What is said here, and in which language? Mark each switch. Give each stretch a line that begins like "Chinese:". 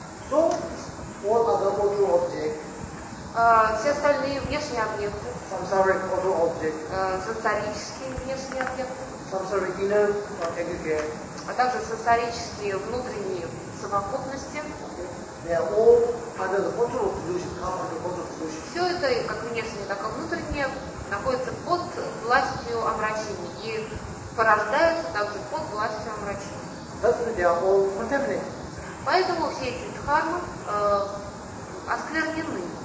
English: So, all other material objects,
Russian: все остальные внешние объекты,
English: samsaric other objects,
Russian: сансарические внешние объекты,
English: samsaric inner aggregate,
Russian: а также сансарические внутренние совокупности,
English: they are all under the control of delusion, come under the control of delusion.
Russian: Все это, как внешнее, так и внутреннее, находится под властью омрачения и порождается также под властью омрачения.
English: That's why they are all contaminated.
Russian: Поэтому все эти дхармы осквернены.